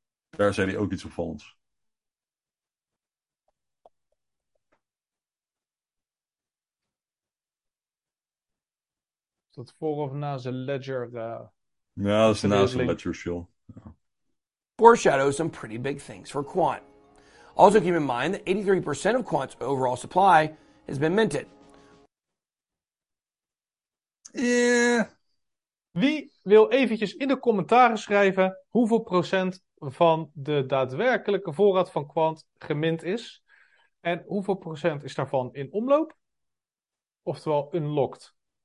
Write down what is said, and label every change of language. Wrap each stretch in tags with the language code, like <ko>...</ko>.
<nl>Daar zei hij ook iets opvallends. Dat voor of na zijn ledger. Ja, dat is na zijn ledger, show.</nl> <en>Foreshadows some pretty big things for Quant. Also keep in mind that 83% of Quant's overall supply has been minted. Yeah.</en> <nl>Wie wil eventjes in de commentaren schrijven hoeveel procent van de daadwerkelijke voorraad van Quant gemint is? En hoeveel procent is daarvan in omloop? Oftewel unlocked.</nl>